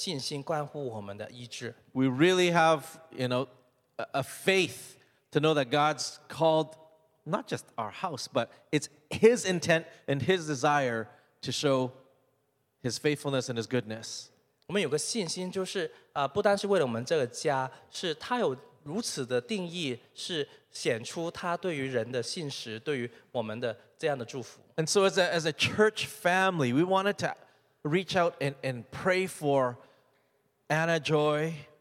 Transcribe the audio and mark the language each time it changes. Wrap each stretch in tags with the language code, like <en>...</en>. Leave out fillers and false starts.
<en>We really have, you know, a faith to know that God's called not just our house, but it's His intent and His desire to show His faithfulness and His goodness.</en> <zh>我们有个信心，就是不单是为了我们这个家，是他有如此的定义，是显出他对于人的信实，对于我们的这样的祝福。</zh> <en>And so, as a church family, we wanted to reach out and pray for Anna Joy.</en>